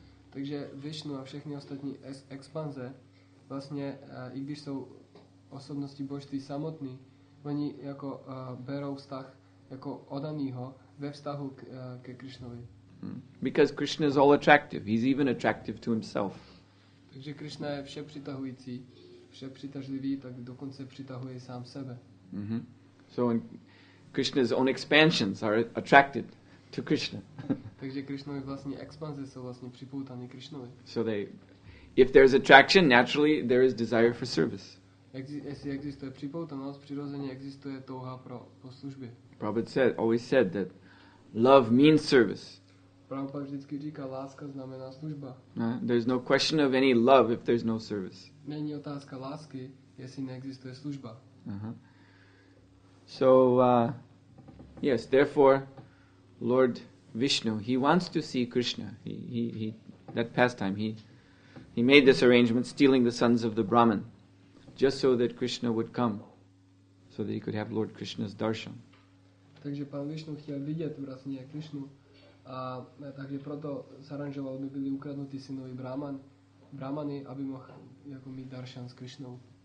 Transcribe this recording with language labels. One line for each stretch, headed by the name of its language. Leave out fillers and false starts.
Czech: Takže Vishnu a všechny ostatní expanze vlastně i když jsou osobnosti božství samotný, oni jako berou vztah jako odanýho ve vztahu ke Krishnovi.
English: Because Krishna is all attractive. He's even attractive to himself.
Czech: Takže Krishna je vše přitahující, vše přitažlivý, tak dokonce přitahuje sám sebe.
English: So when Krishna's own expansions are attracted to Krishna.
Czech: Takže Krishnovy vlastní expanze jsou vlastně připoutané Krishnovi.
English: So they, if there is attraction, naturally there is desire for service.
Czech: Jestli existuje připoutanost, přirozeně existuje touha pro službě.
English: Prabhupada said, always said that love means service.
Czech: Prabhupada vždycky říká, láska znamená služba.
English: There's no question of any love if there's no service.
Czech: Není otázka lásky, jestli neexistuje služba.
English: So, yes, therefore, Lord Vishnu, he wants to see Krishna. He that pastime, he made this arrangement, stealing the sons of the Brahmin, just so that Krishna would come, so that he could have Lord Krishna's darshan.
Czech: Takže pan Vishnu chtěl vidět vlastně Krishnu, a takže proto zaranžoval, aby byli ukradnuti synovi Brahmany, aby mohl jako mít darshan s Krishnou.